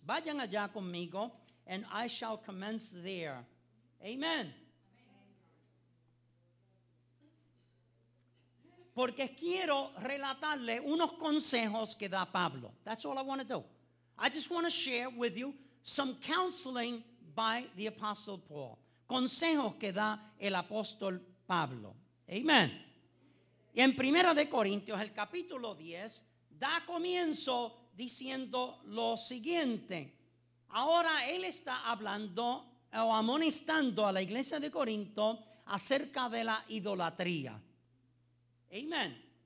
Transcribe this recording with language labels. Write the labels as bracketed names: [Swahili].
[Spanish] Vayan allá conmigo, [English] and I shall commence there. Amen. [Spanish] Porque quiero relatarle unos consejos que da Pablo. [English] That's all I want to do. I just want to share with you some counseling by the Apostle Paul. [Spanish] Consejos que da el apóstol Pablo. Amen. Y en Primera de Corintios, el capítulo 10, da comienzo diciendo lo siguiente. Ahora él está hablando o amonestando a la iglesia de Corinto acerca de la idolatría. Amen.